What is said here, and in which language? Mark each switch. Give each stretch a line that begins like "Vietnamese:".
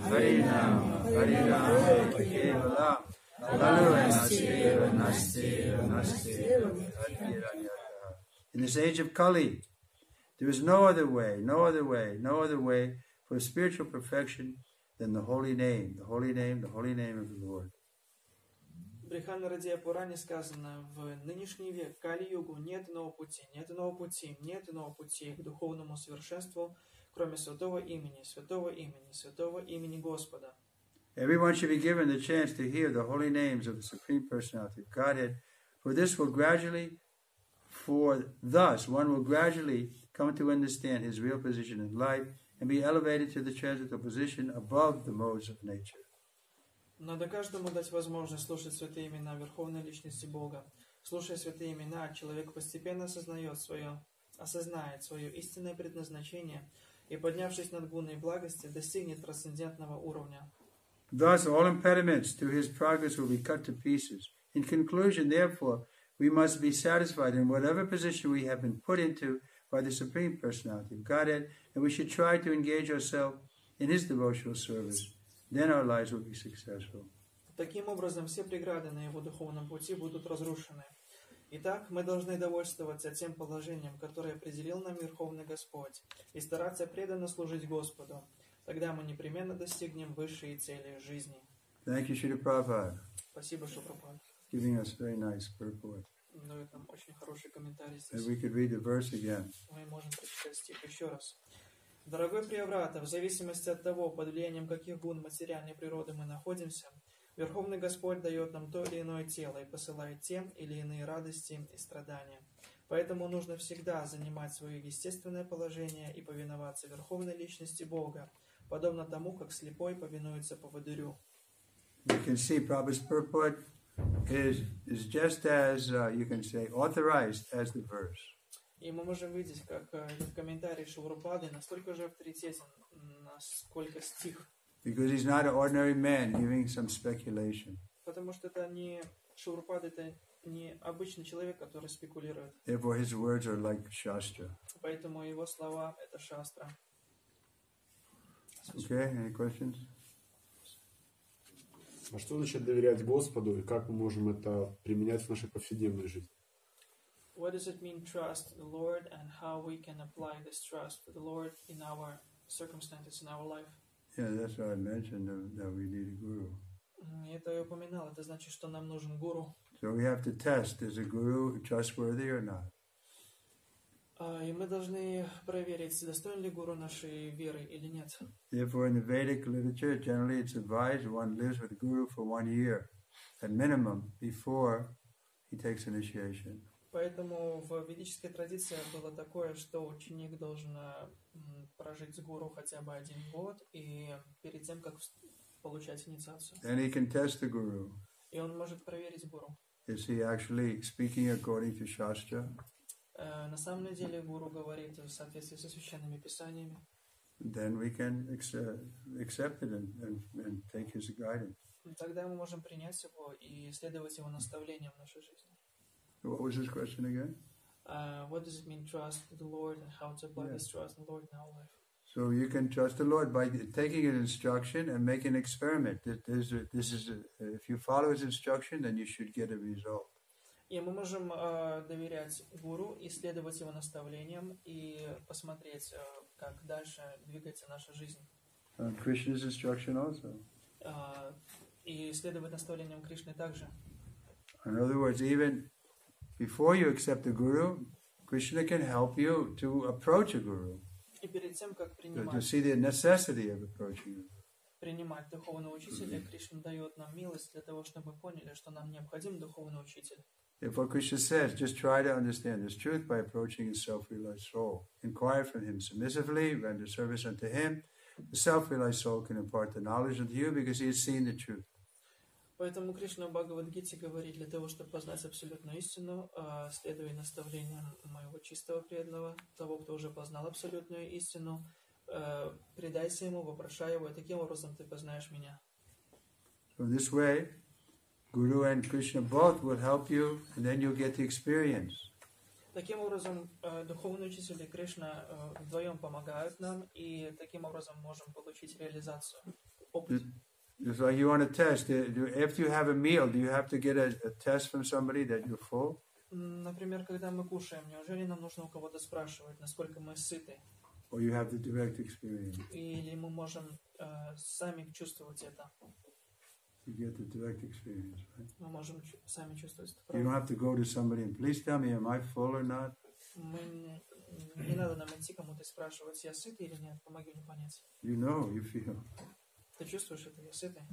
Sanskrit: Hari Nama, Hari Nama, Kevala, Lalua Nasteva, Nasteva, Nasteva.
English: In this age of Kali, there is no other way, no other way, no other way for spiritual perfection than the holy name, the holy name, the holy name of the Lord.
Russian: Брихан Радия Пуране сказано, в нынешний век, Кали-югу, нет иного пути, нет иного пути, нет иного пути к духовному совершенству, кроме святого имени, святого имени, святого имени Господа.
English: Everyone should be given the chance to hear the holy names of the Supreme Personality of Godhead, for this will gradually, for thus one will gradually come to understand his real position in life and be elevated to the transcendental position above the modes of nature.
Russian: Надо каждому дать возможность слушать святые имена Верховной Личности Бога. Слушая святые имена, человек постепенно осознает свое истинное предназначение и, поднявшись над гуной благости, достигнет трансцендентного уровня.
English: Thus, all impediments to his progress will be cut to pieces. In conclusion, therefore, we must be satisfied in whatever position we have been put into by the Supreme Personality of Godhead, and we should try to engage ourselves in his devotional service. Then our lives will be successful.
Russian: Таким образом, все преграды на его духовном пути будут разрушены. Итак, мы должны довольствоваться тем положением, которое определил нам Верховный Господь, и стараться преданно служить Господу. Тогда мы непременно достигнем высшие цели жизни.
English: Thank you, Śrīla Prabhupāda.
Russian: Спасибо, Śrīla Prabhupāda.
English: Giving us very nice purport.
Russian: Ну, там очень хороший комментарий здесь.
English: And we could read the verse again.
Russian: Мы можем прочитать стих еще раз. Дорогой Приаврата, в зависимости от того, под влиянием каких гун материальной природы мы находимся, Верховный Господь дает нам то или иное тело и посылает тем или иные радости и страдания. Поэтому нужно всегда занимать свое естественное положение и повиноваться Верховной Личности Бога, подобно тому, как слепой повинуется поводырю.
English: You can see Prabhupada's purport is just as you can say authorized as the verse.
Russian: И мы можем видеть, как в комментарии Шилрупады настолько же авторитетен, насколько стих.
English: Because he's not an ordinary man giving some speculation.
Russian: Потому что это не Шилрупада, это не обычный человек, который спекулирует.
English: Therefore his words are like shastra.
Russian: Поэтому его слова это шастра.
English: Okay, any questions?
Russian: А что значит доверять Господу и как мы можем это применять в нашей повседневной жизни?
English: What does it mean trust the Lord and how we can apply this trust to the Lord in our circumstances in our life? Yeah, that's what I mentioned that we need a guru.
Russian: Это я упоминал, это значит, что нам нужен гуру.
English: So we have to test, is a guru trustworthy or not?
Russian: И мы должны проверить, достоин ли гуру нашей веры или нет.
English: Therefore, in the Vedic literature, generally it's advised one lives with a guru for 1 year, at minimum, before he takes initiation.
Russian: Поэтому в ведической традиции было такое, что ученик должен прожить с гуру хотя бы 1 год и перед тем, как получать инициацию.
English: Then he can test the guru.
Russian: И он может проверить гуру.
English: Is he actually speaking according to shastra?
Russian: На самом деле гуру говорит в соответствии со священными писаниями.
English: Then we can accept it and take his guidance.
Russian: Тогда мы можем принять его и следовать его наставлениям в нашей жизни.
English: What was his question again? What does it mean trust the Lord and how to apply this trust in the Lord in our life? So you can trust the Lord by taking an instruction and making an experiment. If you follow his instruction, then you should get a result.
Russian: Yeah, мы можем доверять гуру, исследовать его наставлениям и посмотреть, как дальше двигается наша жизнь.
English: And Krishna's instruction also.
Russian: И исследовать наставлениям Кришны также.
English: In other words, even before you accept a guru, Krishna can help you to approach a guru. To see the necessity of approaching a guru.
Russian: Принимать духовного учителя, Кришна дает нам милость для того, чтобы поняли, что нам необходим духовный учитель.
English: If what Krishna says, just try to understand this truth by approaching a self-realized soul. Inquire from him submissively, render service unto him. The self-realized soul can impart the knowledge unto you because he has seen the truth.
Russian: Поэтому Кришна в Бхагавад-гите говорит, для того, чтобы познать абсолютную истину, следуй наставлениям моего чистого преданного, того, кто уже познал абсолютную истину, предайся ему, вопрошай его, и таким образом ты познаешь меня.
English: So this way, Guru and Krishna both will help you, and then you'll get the experience.
Russian: Таким образом, духовные учителя Кришна вдвоем помогают нам, и таким образом можем получить реализацию, опыт.
English: It's like you want a test. If you have a meal, do you have to get a test from somebody that you're full?
Russian: Например, когда мы кушаем, неужели нам нужно у кого-то спрашивать, насколько мы сыты?
English: Or you have the direct experience.
Russian: Или мы можем сами чувствовать это.
English: You get the direct experience, right?
Russian: Мы можем сами чувствовать это.
English: You don't have to go to somebody and please tell me, am I full or not?
Russian: Не надо нам идти кому-то спрашивать, я сыт или нет, помоги мне понять.
English: You know, you feel.
Russian: Ты чувствуешь это, я сытый.